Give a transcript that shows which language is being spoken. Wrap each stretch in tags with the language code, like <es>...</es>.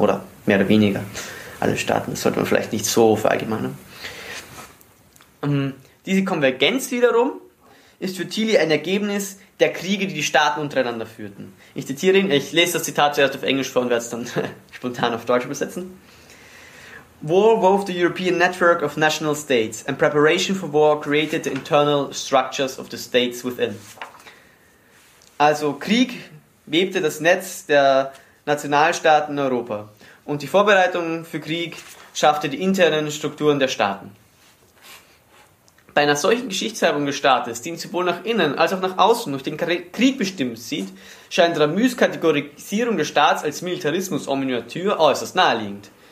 <de>Oder mehr oder weniger alle Staaten. Das sollte man vielleicht nicht so verallgemeinern. Diese Konvergenz wiederum ist für Thiele ein Ergebnis der Kriege, die die Staaten untereinander führten. Ich zitiere ihn, ich lese das Zitat zuerst auf Englisch vor und werde es dann spontan auf Deutsch übersetzen.</de> <en>War wove the European network of national states and preparation for war created the internal structures of the states within.</en> <de>Also Krieg webte das Netz der Nationalstaaten in Europa und die Vorbereitung für Krieg schaffte die internen Strukturen der Staaten. Bei einer solchen Geschichtsschreibung des Staates, die ihn sowohl nach innen als auch nach außen durch den Krieg bestimmt sieht, scheint Ramus Kategorisierung des Staats als Militarismus en miniature äußerst naheliegend.</de>